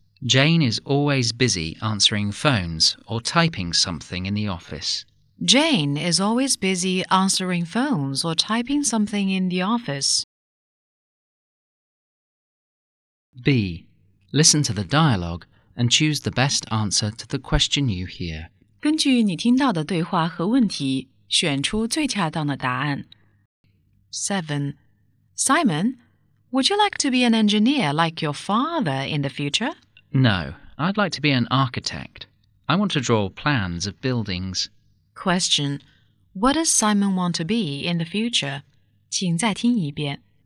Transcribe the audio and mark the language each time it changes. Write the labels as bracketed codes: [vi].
[en] Jane is always busy answering phones or typing something in the office. Jane is always busy answering phones or typing something in the office. B. Listen to the dialogue and choose the best answer to the question you hear. [zh] 根据你听到的对话和问题，选出最恰当的答案。 [en] 7. Simon, would you like to be an engineer like your father in the future? No, I'd like to be an architect. I want to draw plans of buildings. Question. What does Simon want to be in the future? [zh] 请再听一遍。